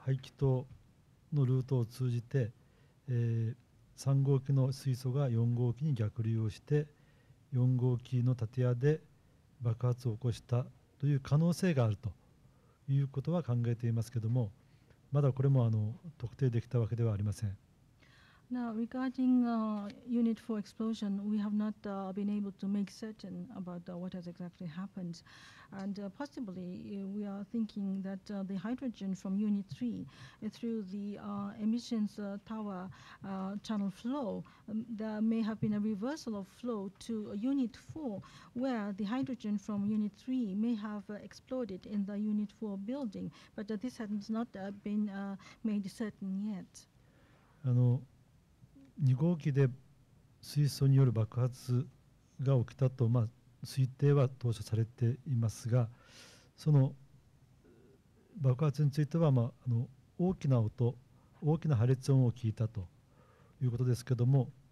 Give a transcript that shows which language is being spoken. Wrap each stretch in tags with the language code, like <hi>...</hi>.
<ja>筒のルートを通じて、3号機の水素が4号機に逆流をして4号機の建屋で爆発を起こしたという可能性があるということは考えていますけれども、まだこれもあの特定できたわけではありません。</ja> <en>Now, regarding Unit 4 explosion, we have not been able to make certain about what has exactly happened. And possibly, we are thinking that the hydrogen from Unit 3 through the emissions tower channel flow, there may have been a reversal of flow to Unit 4, where the hydrogen from Unit 3 may have exploded in the Unit 4 building. But this has not been made certain yet.</en> <ja>あの2号機で水素による爆発が起きたと、まあ、推定は当初されていますが、その爆発については、まあ、あの大きな音、大きな破裂音を聞いたということですけれども、</ja>